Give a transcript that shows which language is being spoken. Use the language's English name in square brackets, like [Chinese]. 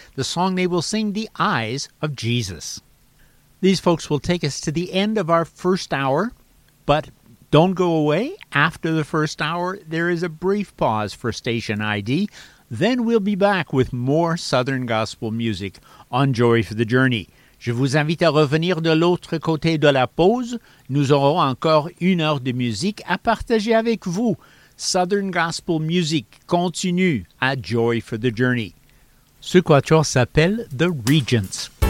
[English] The song they will sing, The Eyes of Jesus. These folks will take us to the end of our first hour, but don't go away. After the first hour, there is a brief pause for station ID. Then we'll be back with more Southern Gospel music on Joy for the Journey. [French] Je vous invite à revenir de l'autre côté de la pause. Nous aurons encore une heure de musique à partager avec vous. [English] Southern Gospel music continue at Joy for the Journey. [French] Ce quatuor s'appelle The Regents.